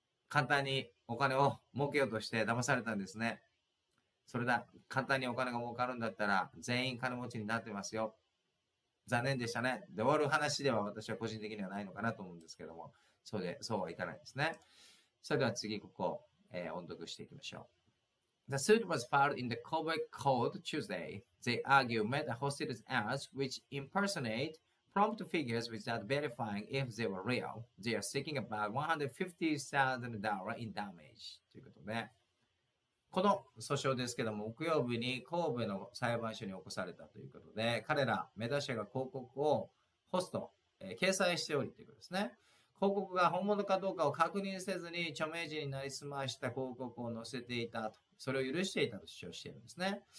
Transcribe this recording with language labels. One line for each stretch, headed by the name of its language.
Japanese: 簡単にお金を儲けようとして騙されたんですね。それだ、簡単にお金が儲かるんだったら全員金持ちになってますよ。残念でしたね。で終わる話では私は個人的にはないのかなと思うんですけども、そうはいかないですね。それでは次ここ、音読していきましょう。
English: The suit was filed in the Kobe court Tuesday. They argue Meta hosted ads which impersonate prompt figures without verifying if they were real. They are seeking about $150,000 in damage.
Japanese: ということで、この訴訟ですけども、木曜日に神戸の裁判所に起こされたということで、彼らメタ社が広告をホスト、掲載しておりということですね。広告が本物かどうかを確認せずに著名人になりすました広告を載せていたと、それを許していたと主張しているんですね。